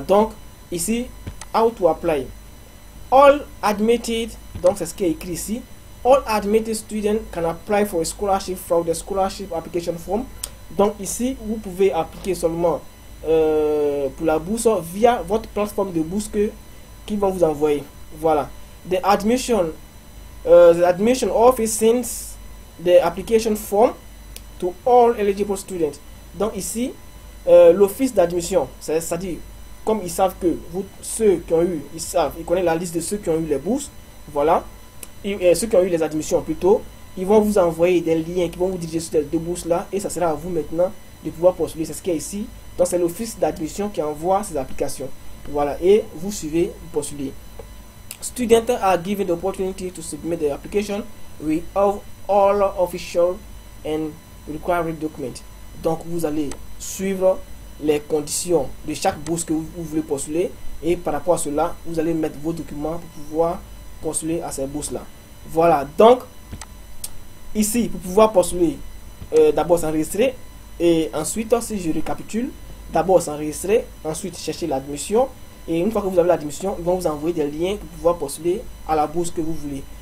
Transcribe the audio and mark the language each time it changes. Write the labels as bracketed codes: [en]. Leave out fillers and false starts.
[fr] Donc, ici, [en] how to apply. All admitted, [fr] donc c'est ce qui est écrit ici. [en] All admitted students can apply for a scholarship from the scholarship application form. [fr] Donc, ici, vous pouvez appliquer seulement pour la bourse via votre plateforme de bourse qu'ils vont vous envoyer. Voilà. [en] The admission office sends the application form to all eligible students. [fr] Donc, ici, l'office d'admission, c'est-à-dire, comme ils savent que vous, ceux qui ont eu, ils savent, ils connaissent la liste de ceux qui ont eu les bourses, voilà, et ceux qui ont eu les admissions plutôt, ils vont vous envoyer des liens qui vont vous diriger sur ces deux bourses-là, et ça sera à vous maintenant de pouvoir postuler. C'est ce qu'il y a ici. Donc, c'est l'office d'admission qui envoie ces applications. Voilà, et vous suivez, vous postulez. [en] Students are given the opportunity to submit the application with all official and required document. [fr] Donc, vous allez suivre les conditions de chaque bourse que vous voulez postuler et par rapport à cela, vous allez mettre vos documents pour pouvoir postuler à ces bourses-là. Voilà, donc ici, pour pouvoir postuler, d'abord s'enregistrer et ensuite, si je récapitule, d'abord s'enregistrer, ensuite chercher l'admission et une fois que vous avez l'admission, ils vont vous envoyer des liens pour pouvoir postuler à la bourse que vous voulez.